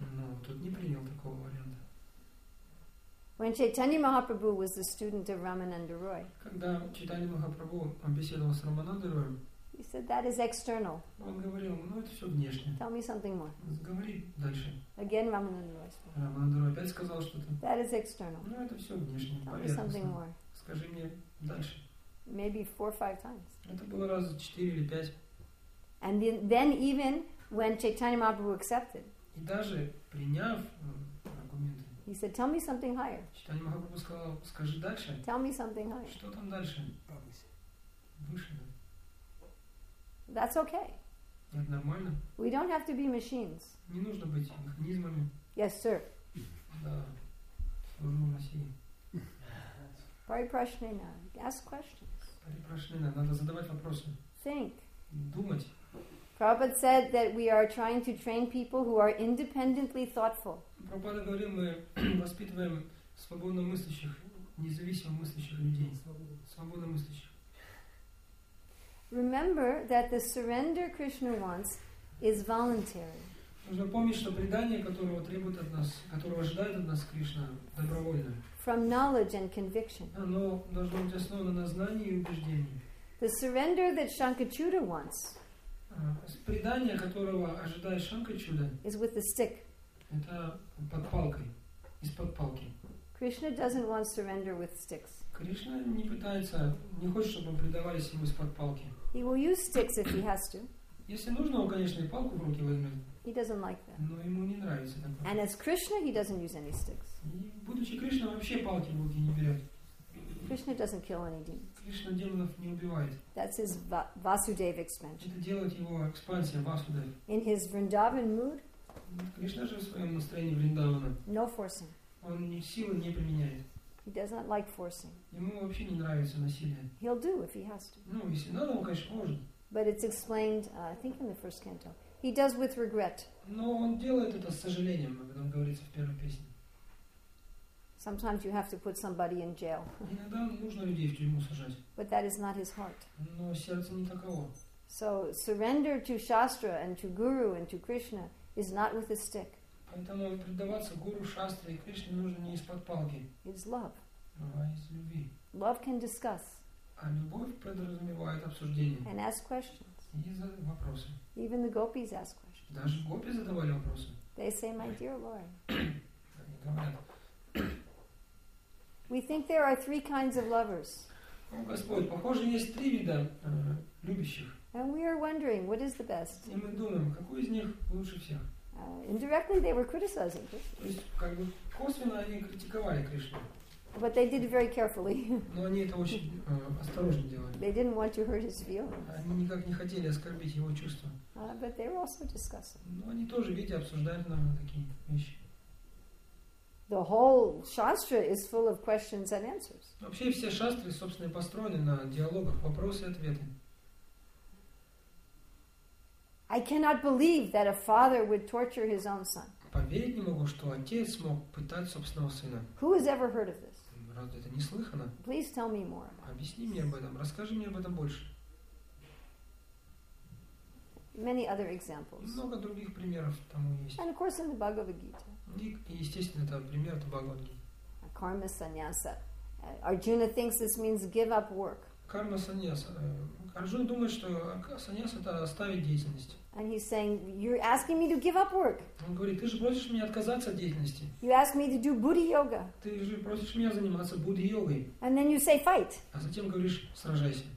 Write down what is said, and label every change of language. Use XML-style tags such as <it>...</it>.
<ru>Но тот не принял такого варианта.</ru> <en>When Chaitanya Mahaprabhu was the student of Ramananda Roy.</en> <ru>Когда Чайтанья Махапрабху беседовал с Рамананда Роем.</ru> <en>He said that is external.</en> <ru>Он говорил, ну это все внешнее.</ru> <en>Tell me something more.</en> <ru>Говори дальше.</ru> <en>Again Ramananda Roy spoke.</en> <ru>Рамананда Рой опять сказал что-то.</ru> <en>That is external.</en> <ru>Ну это все внешнее.</ru> <en>Tell me something more.</en> <ru>Скажи мне дальше.</ru> <en>Maybe four or five times.</en> <ru>Это было раза 4 или 5.</ru> <en>And then even when Chaitanya Mahaprabhu accepted.</en> <ru>И даже приняв аргументы,</ru> <en>he said, tell me something higher.</en> <ru>Читание Махапрабху сказал, скажи дальше.</ru> <en>Tell me something higher.</en> <ru>Что там дальше? Повыше. Выше, да.</ru> <en>That's okay.</en> <ru>Это нормально.</ru> <en>We don't have to be machines.</en> <ru>Не нужно быть механизмами.</ru> <en>Yes, sir.</en> <ru>Да. Служу в России.</ru> <en>Парипрашнена. Ask questions.</en> <ru>Парипрашнена. Надо задавать вопросы.</ru> <en>Think.</en> <ru>Думать.</ru> <en>Prabhupada said that we are trying to train people who are independently thoughtful.</en> <ru>Prabhupada говорил, мы воспитываем свободно мыслящих, независимо мыслящих людей. Свободно мыслящих.</ru> <en>Remember that the surrender Krishna wants is voluntary.</en> <ru>Нужно помнить, что предание, которого требует от нас, которого ожидает от нас Кришна, добровольное.</ru> <en>From knowledge and conviction.</en> <ru>Оно должно быть основано на знании и убеждении.</ru> <en>The surrender that Shankachuda wants.</en> <ru>Предание, которого ожидает Шанкачуда,</ru> <en>is with the stick.</en> <ru>Это под палкой, из-под палки.</ru> <en>Krishna doesn't want surrender with sticks.</en> <ru>Кришна не пытается, не хочет, чтобы мы предавались ему из-под палки.</ru> <en>He will use sticks if he has to.</en> <ru>Если нужно, он, конечно, и палку в руки возьмет.</ru> <en>He doesn't like that.</en> <ru>Но ему не нравится такое.</ru> <en>And as Krishna, he doesn't use any sticks.</en> <ru>И, будучи Кришна, вообще палки в руки не берет.</ru> <en>Krishna doesn't kill any demons.</en> <ru>Krishna demonов не убивает.</ru> <en>That's his Vasudeva expansion.</en> <ru>Это делает его экспансия Vasudeva.</ru> <en>In his Vrindavan mood.</en> <ru>Кришна же в своем настроении Вриндавана.</ru> <en>No forcing.</en> <ru>Он ни силы не применяет.</ru> <en>He does not like forcing.</en> <ru>Ему вообще не нравится насилие.</ru> <en>He'll do if he has to.</en> <ru>Ну, если надо, он, конечно, может.</ru> <en>But it's explained, I think, in the first canto. He does with regret.</en> <ru>Но он делает это с сожалением, об этом говорится в первой песне.</ru> <en>Sometimes you have to put somebody in jail.</en> <ru>Иногда нужно людей в тюрьму сажать.</ru> <en>But that is not his heart.</en> <ru>Но сердце не таково.</ru> <en>So surrender to Shastra and to Guru and to Krishna is not with a stick.</en> <ru>Поэтому предаваться Гуру, Шастре и Кришне нужно не из-под палки.</ru> <en>It's love.</en> <ru>А из любви.</ru> <en>Love can discuss.</en> <ru>А любовь подразумевает обсуждение.</ru> <en>And ask questions.</en> <ru>И задавать вопросы.</ru> <en>Even the gopis ask questions.</en> <ru>Даже гопи задавали вопросы.</ru> <en>They say, my dear Lord.</en> <ru>Они говорят,</ru> <en>We think there are three kinds of lovers.</en> <ru>Господь, похоже, есть три вида любящих.</ru> <en>And we are wondering, what is the best?</en> <ru>И мы думаем, какой из них лучше всех?</ru> <en>Indirectly, they were criticizing.</en> <ru>То есть, как бы косвенно они критиковали Кришну.</ru> <en>But they did it very carefully.</en> <ru>Но они это очень осторожно делали.</ru> <en>They didn't want to hurt his feelings.</en> <ru>Они никак не хотели оскорбить его чувства.</ru> <en>But they were also discussing.</en> <ru>Но они тоже, видите, обсуждали, наверное, такие вещи.</ru> <en>The whole shastra is full of questions and answers.</en> <ru>Вообще все шастры, собственно, построены на диалогах, вопросы и ответы.</ru> <en>I cannot believe that a father would torture his own son.</en> <ru>Поверить не могу, что отец мог пытать собственного сына.</ru> <en>Who has ever heard of this?</en> <ru>Разве это не слыхано?</ru> <en>Please tell me more.</en> <ru>Объясни мне об этом, расскажи мне об этом больше.</ru> <en>Many other examples.</en> <ru>Много других примеров тому есть.</ru> <en>And of course in the Bhagavad Gita.</en> <ru>И естественно это пример от Бхагавад Гиты.</ru> <en>Karma sannyasa. Arjuna thinks this means give up work.</en> <ru>Карма саньяса. Арджуна думает, что саньяса это оставить деятельность.</ru> <en>And he's saying, you're asking me to give up work.</en> <ru>Он говорит, ты же просишь меня отказаться от деятельности.</ru> <en>You ask me to do buddhi yoga.</en> <ru>Ты же просишь меня заниматься буддхи йогой.</ru> <en>And then you say fight.</en> <ru>А затем говоришь сражайся.</ru>